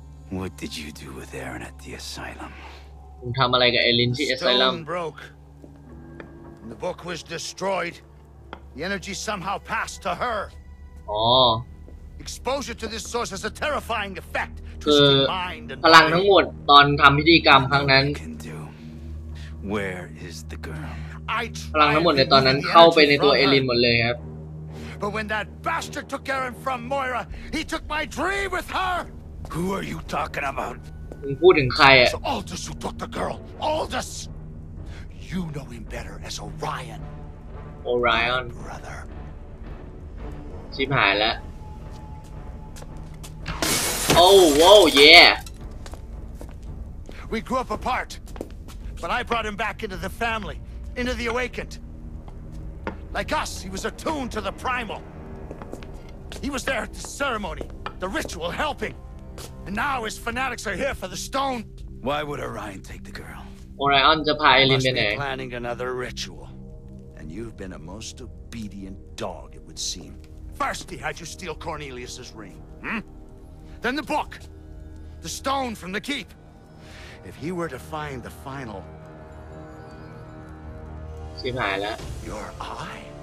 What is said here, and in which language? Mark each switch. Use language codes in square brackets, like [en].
[en] What did you do with Aaron at the asylum? The stone broke. The book was destroyed. The energy somehow passed to her. Oh. Exposure to this source has a terrifying effect. [th] พลังทั้งหมดตอนทำพิธีกรรมครั้งนั้น [en] Where is the girl? [th] พลังทั้งหมดในตอนนั้นเข้าไปในตัวเอลินหมดเลยครับ [en] But when that bastard took Aaron from Moira, he took my dream with her. Who are you talking about? [th] มึงพูดถึงใครอ่ะ [en] It's Aldous who took the girl. Aldous. You know him better as Orion. Orion. Brother. [th] ชิบหายแล้ว [en] Oh, whoa, yeah. We grew up apart. But I brought him back into the family, into the awakened. Like us, he was attuned to the primal. He was there at the ceremony, the ritual, helping. And now his fanatics are here for the stone. Why would Orion take the girl? Orion [th] จะพาเอลินไปไหน [en] Must be planning another ritual. And you've been a most obedient dog, it would seem. First, he had you steal Cornelius's ring. Then the book, the stone from the keep. If he were to find the final, your eye.